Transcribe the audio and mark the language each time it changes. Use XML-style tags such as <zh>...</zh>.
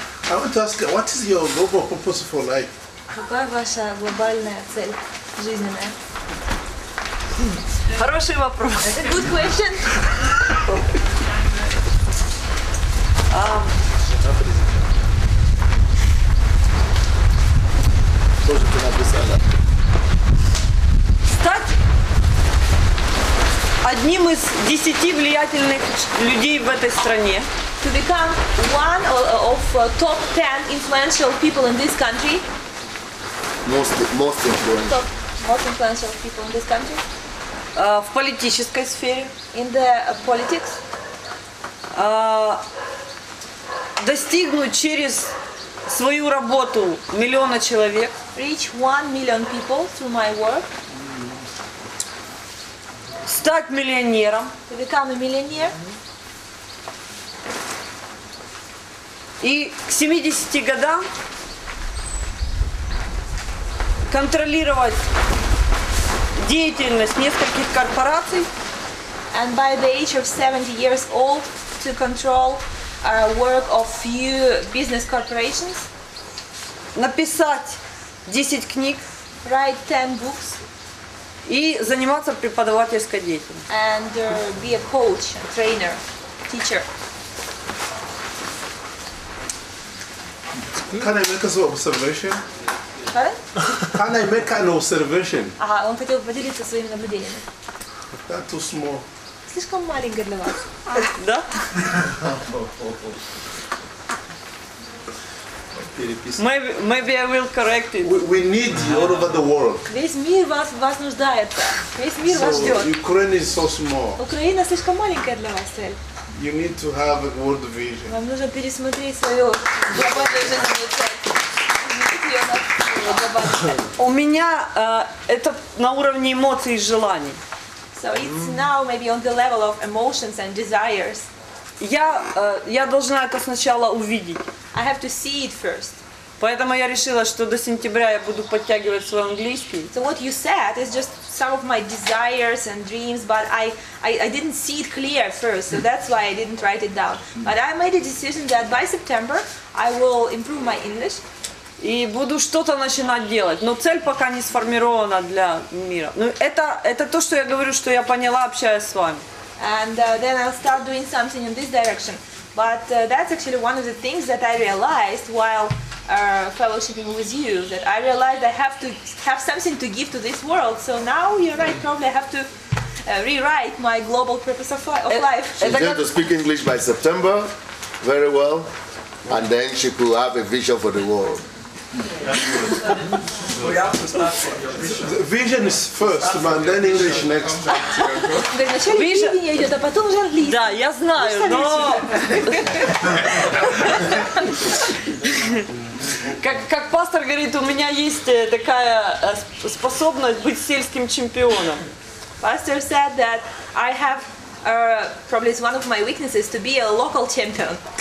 <en>I want to ask, what is your global purpose for life?</en> <ru>Какая ваша глобальная цель жизненная? Хороший вопрос.</ru> <en>It's a good question.</en> <ru>Тоже ты написала. Одним из 10 влиятельных людей в этой стране.</ru> <en>To become one of top 10 influential people in this country. Most influential. Most influential people in this country.</en> <ru>В политической сфере.</ru> <en>In the politics.</en> <ru>Достигнуть через свою работу миллиона человек.</ru> <en>Reach 1 million people through my work.</en> <ru>Стать миллионером.</ru> <en>To become a millionaire.</en> <ru>И к 70 годам контролировать деятельность нескольких корпораций.</ru> <en>And by the age of 70 years old to control work of few business corporations.</en> <ru>Написать 10 книг.</ru> <en>Write 10 books.</en> <ru>И заниматься преподавательской деятельностью.</ru> <en>And be a coach, a trainer, teacher. Can I make an observation? Pardon? Can I make an observation?</en> <ru>Ага, он хотел поделиться своими наблюдениями.</ru> <en>That's too small.</en> <ru>Слишком маленькая для вас. Да?</ru> <en>Maybe I will correct it. We need you all over the world.</en> <ru>Весь мир вас нуждает. Весь мир вас ждет.</ru> <en>Ukraine is so small.</en> <ru>Украина слишком маленькая для вас, Эль.</ru> <en>You need to have a world vision.</en> <ru>Вам нужно пересмотреть свою глобальную жизненную цель. У меня это на уровне эмоций и желаний.</ru> <en>So it's now maybe on the level of emotions and desires.</en> <ru>Я должна это сначала увидеть.</ru> <en>I have to see it first.</en> <ru>Поэтому я решила, что до сентября я буду подтягивать свой английский.</ru> <en>So what you said is just some of my desires and dreams, but I didn't see it clear first, so that's why I didn't write it down. But I made a decision that by September I will improve my English.</en> <ru>И буду что-то начинать делать, но цель пока не сформирована для мира. Ну это то, что я говорю, что я поняла, общаясь с вами.</ru> <en>And then I'll start doing something in this direction. But that's actually one of the things that I realized while fellowshipping with you, that I realized I have to have something to give to this world. So now you're right, probably I have to rewrite my global purpose of life. She's going to speak English by September very well, and then she could have a vision for the world. Vision is first, but then English next.</en> <ru>Видение идет, а потом уже английский. Да, я знаю, но... Как пастор говорит, у меня есть такая способность быть сельским чемпионом.</ru> <en>Pastor said that I have probably it's one of my weaknesses to be a local champion.</en>